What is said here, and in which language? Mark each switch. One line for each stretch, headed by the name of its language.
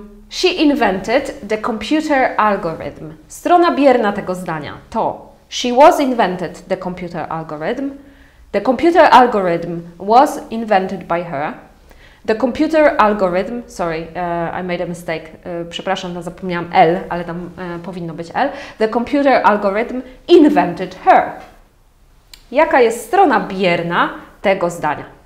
English: She invented the computer algorithm.
Polish: Strona bierna tego zdania to
English: she was invented the computer algorithm. The computer algorithm was invented by her. The computer algorithm, sorry, I made a mistake.
Polish: Przepraszam, tam zapomniałam L, ale tam powinno być L.
English: The computer algorithm invented her.
Polish: Jaka jest strona bierna tego zdania?